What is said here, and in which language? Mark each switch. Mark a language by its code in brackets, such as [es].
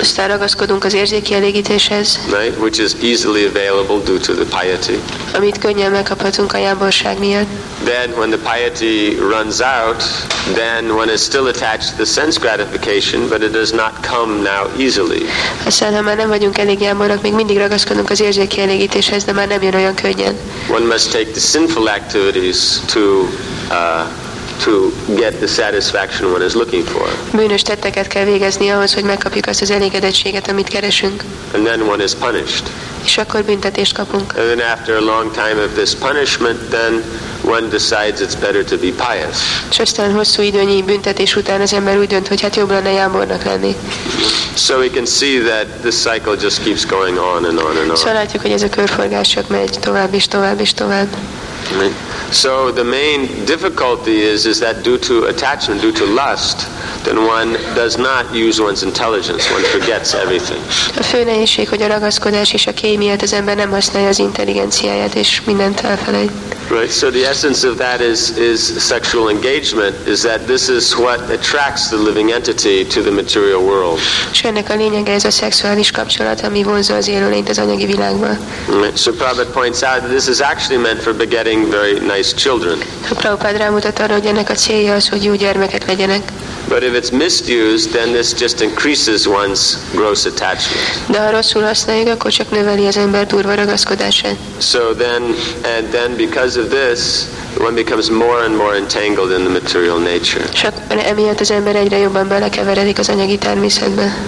[hu] Aztán ragaszkodunk az érzéki elégítéshez. [en] Right, which is easily available due to the piety. [hu] Amit könnyen megkaphatunk a jáborság miatt. [en] Then when the piety runs out, then one is still attached to the sense gratification, but it does not come now easily. [hu] Aztán ha már nem vagyunk elég jáborok, még mindig ragaszkodunk az érzéki elégítéshez, de már nem jön olyan könnyen. [en] One must take the sinful activities to get the satisfaction one is looking for. [hu] Bűnös tetteket kell végezni ahhoz, hogy megkapjuk azt az elégedettséget, amit keresünk. [en] And then one is punished. [hu] És akkor büntetést kapunk. [en] And then after a long time of this punishment, then one decides it's better to be pious. [hu] És aztán hosszú időnyi büntetés után az ember úgy dönt, hogy hát jobb lenne jámbornak lenni. [en] So we can see that this cycle just keeps going on and on and on. [hu] Szóval látjuk, hogy ez a körforgás csak megy tovább és tovább és tovább. [en] So the main difficulty is that due to attachment, due to lust, then one does not use one's intelligence. One forgets everything. [hu] A fő nehézség, hogy a ragaszkodás és a kéj miatt az ember nem használja az intelligenciáját, és mindent elfelejt. [en] Right. So the essence of that is sexual engagement, is that this is what attracts the living entity to the material world. [hu] És ennek a lényege ez a szexuális kapcsolat, ami vonzza az élőlényt az anyagi világba. [en] Right. So Prabhupada points out that this is actually meant for begetting very nice children. [hu] Prabhupada rámutat arra, hogy ennek a célja az, hogy jó gyermekek legyenek. [en] But if it's misused, then this just increases one's gross attachment. [hu] De ha rosszul használjuk, akkor csak növeli az ember durva ragaszkodását. [en] So then, and then because of this, one becomes more and more entangled in the material nature. [hu] Csak emiatt az ember egyre jobban belekeveredik az anyagi természetbe.